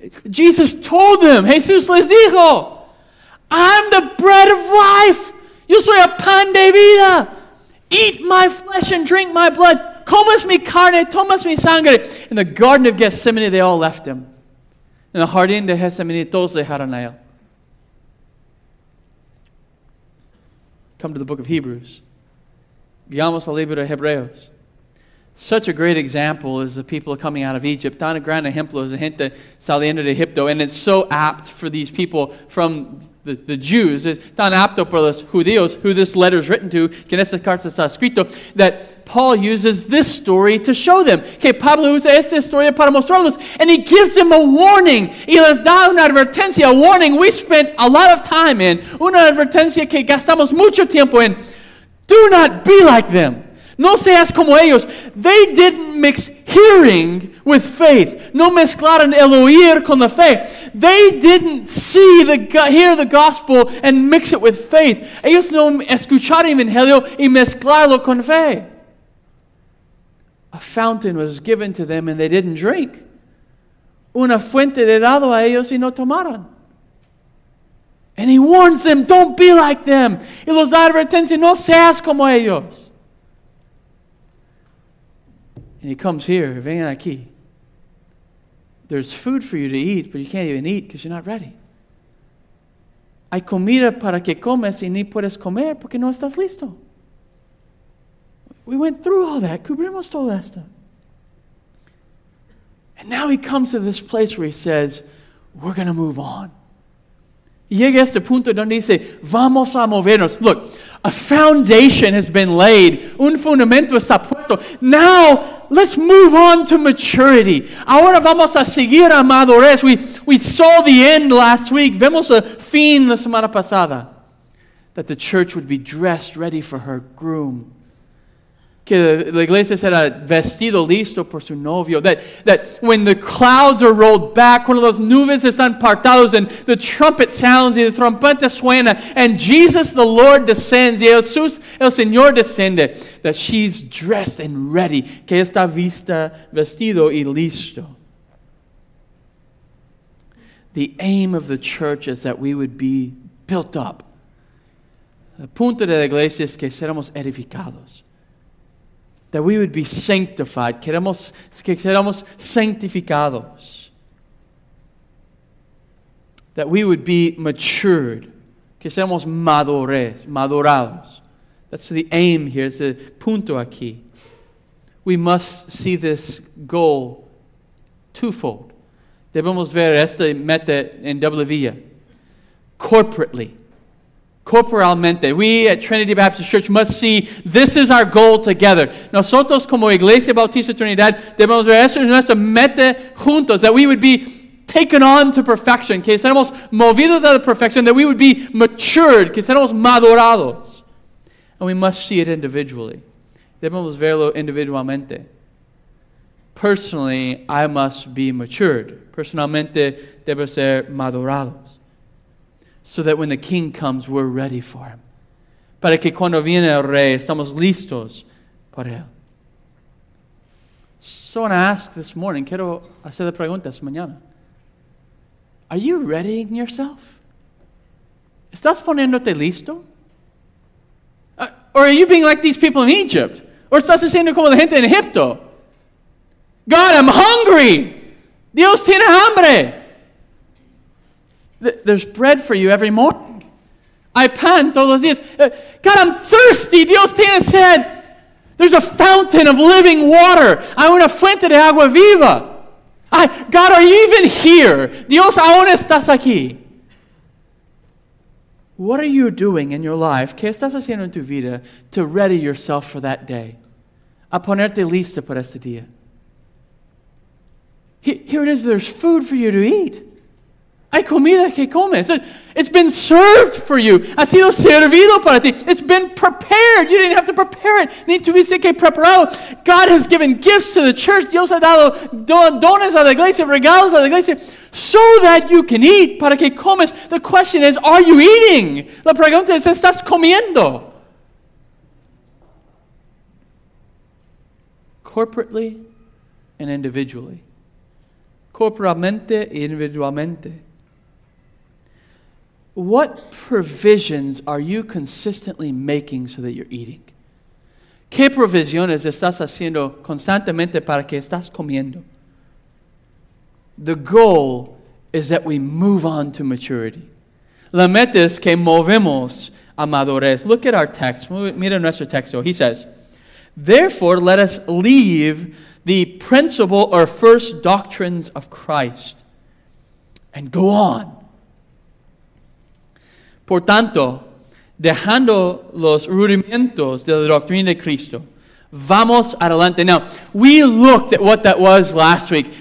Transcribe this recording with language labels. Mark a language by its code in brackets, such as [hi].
[en] Jesus told them, [es] Jesús les dijo, [en] I'm the bread of life. [es] Yo soy el pan de vida. [en] Eat my flesh and drink my blood. [es] Comas mi carne, tomas mi sangre. [en] In the Garden of Gethsemane, they all left him. In the [es] Jardín de Gethsemane, todos dejaron a él. [en] Come to the book of Hebrews. [es] Llegamos al libro de Hebreos. [en] Such a great example is the people coming out of Egypt. [es] Tan gran ejemplo es la gente saliendo de Egipto. [en] And it's so apt for these people from the Jews. [es] Tan apto por los judíos, [en] who this letter is written to, [es] que en esta carta está escrito, [en] that Paul uses this story to show them. [es] Que Pablo usa esta historia para mostrarlos. [en] And he gives them a warning. [es] Y les da una advertencia, [en] a warning we spent a lot of time in. [es] Una advertencia que gastamos mucho tiempo en. [en] Do not be like them. [es] No seas como ellos. [en] They didn't mix hearing with faith. [es] No mezclaron el oír con la fe. [en] They didn't see the hear the gospel and mix it with faith. [es] Ellos no escucharon el evangelio y mezclarlo con fe. [en] A fountain was given to them and they didn't drink. [es] Una fuente de dado a ellos y no tomaron. [en] And he warns them, don't be like them. [es] Y los da advertencia, no seas como ellos. [en] And he comes here, [es] vengan aquí. [en] There's food for you to eat, but you can't even eat because you're not ready. [es] Hay comida para que comes y ni puedes comer porque no estás listo. [en] We went through all that. [es] Cubrimos todo esto. [en] And now he comes to this place where he says, we're going to move on. [es] Llega este punto donde dice, vamos a movernos. [en] Look, a foundation has been laid. [es] Un fundamento está puesto. [en] Now, let's move on to maturity. [es] Ahora vamos a seguir a madurez. [en] We saw the end last week. [es] Vemos a fin la semana pasada. [en] That the church would be dressed ready for her groom. [es] Que la iglesia será vestido listo por su novio. [en] That when the clouds are rolled back, [es] cuando las nubes están partados, [en] and the trumpet sounds, [es] y la trompeta suena, [en] and Jesus the Lord descends, [es] y Jesús el Señor descende, [en] that she's dressed and ready. [es] Que está vista, vestido y listo. [en] The aim of the church is that we would be built up. [es] El punto de la iglesia es que seremos edificados. [en] That we would be sanctified. [es] Queremos que seamos sanctificados. [en] That we would be matured. [es] Que seamos madures, madurados. [en] That's the aim here. It's the [es] punto aquí. [en] We must see this goal twofold. [es] Debemos ver esta meta en doble vía. [en] Corporately. [es] Corporalmente, [en] we at Trinity Baptist Church must see this is our goal together. [es] Nosotros como Iglesia Bautista Trinidad debemos ver esto es nuestra meta juntos, [en] that we would be taken on to perfection, [es] que seamos movidos a la perfección, [en] that we would be matured, [es] que seamos madurados. [en] And we must see it individually. [es] Debemos verlo individualmente. [en] Personally, I must be matured. [es] Personalmente, debo ser madurados. [en] So that when the king comes, we're ready for him. [es] Para que cuando viene el rey, estamos listos para él. [en] So I want to ask this morning, [es] quiero hacer la pregunta esta mañana. [en] Are you readying yourself? [es] ¿Estás poniéndote listo? [en] Or are you being like these people in Egypt? Or [es] estás haciendo como la gente en Egipto? [en] God, I'm hungry. [es] Dios tiene hambre. [en] There's bread for you every morning. [es] Hay pan todos los días. [en] God, I'm thirsty. [es] Dios tiene sed. [en] There's a fountain of living water. [es] Hay una fuente de agua viva. [en] God, are you even here? [es] Dios, ¿aún estás aquí? [en] What are you doing in your life? [es] ¿Qué estás haciendo en tu vida [en] to ready yourself for that day? [es] A ponerte listo por este día. [en] Here it is. There's food for you to eat. [es] Hay comida que comes. [en] It's been served for you. [es] Ha sido servido para ti. [en] It's been prepared. You didn't have to prepare it. [es] Ni tuviste que prepararlo. [en] God has given gifts to the church. [es] Dios ha dado dones a la iglesia, regalos a la iglesia, [en] so that you can eat, [es] para que comes. [en] The question is, are you eating? [es] La pregunta es, ¿estás comiendo? [en] Corporately and individually. [es] Corporalmente y individualmente. [en] What provisions are you consistently making so that you're eating? [es] ¿Qué provisiones estás haciendo constantemente para que estás comiendo? [en] The goal is that we move on to maturity. [es] La meta es que movemos a madurez. [en] Look at our text. [es] Mira nuestro texto. [en] He says, therefore, let us leave the principal or first doctrines of Christ and go on. [es] Por tanto, dejando los rudimentos de la doctrina de Cristo, vamos adelante. [en] Now, we looked at what that was last week.